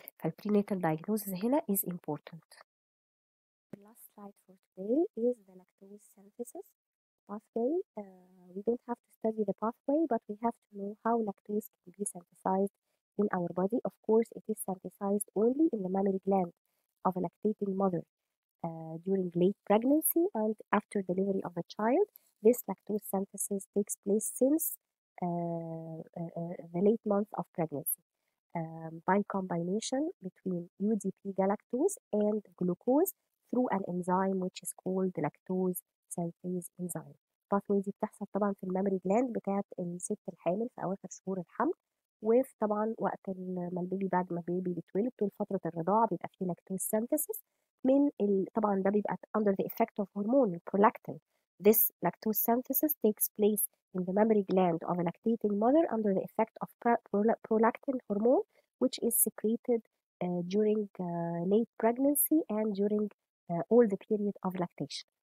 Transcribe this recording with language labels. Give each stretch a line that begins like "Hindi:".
English: فالبرينيتال دايجنوزز هنا is important. The last slide for today is the lactose synthesis pathway. We don't have to study the pathway, but we have to know how lactose can be synthesized in our body. Of course, it is synthesized only in the mammary gland of a lactating mother during late pregnancy and after delivery of a child. This lactose synthesis takes place since the late month of pregnancy by combination between UDP galactose and glucose through an enzyme which is called the lactose synthase enzyme.
Arabic: Pathway دي بتحصل طبعا في الميموري جلاند بتاعت الست الحامل في اواخر شهور الحمل, وفي طبعا وقت ما البيبي بعد ما البيبي بيتولد طول فتره الرضاعه بيبقى في لاكتوز سينثيسيس من طبعا ده بيبقى
English: under the effect of hormone prolactin. This lactose synthesis takes place in the mammary gland of a lactating mother under the effect of prolactin hormone, which is secreted during late pregnancy and during all the period of lactation.